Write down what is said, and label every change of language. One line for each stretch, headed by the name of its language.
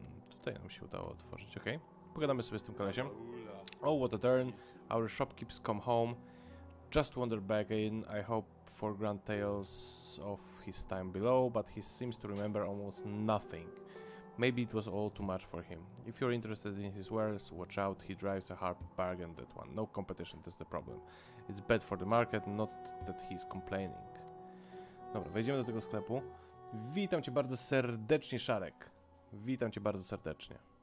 Polish: Tutaj nam się udało otworzyć, okej. Okay. Pogadamy sobie z tym kolesiem.
English: Oh, what a turn. Our shop keeps come home. Just wander back in. I hope for grand tales of his time below, but he seems to remember almost nothing. Maybe it was all too much for him. If you're interested in his wares, watch out. He drives a hard bargain, that one. No competition, that's the problem. It's bad for the market, not that he's complaining.
Polish: Dobra, wejdziemy do tego sklepu. Witam cię bardzo serdecznie, Szarek. Witam cię bardzo serdecznie.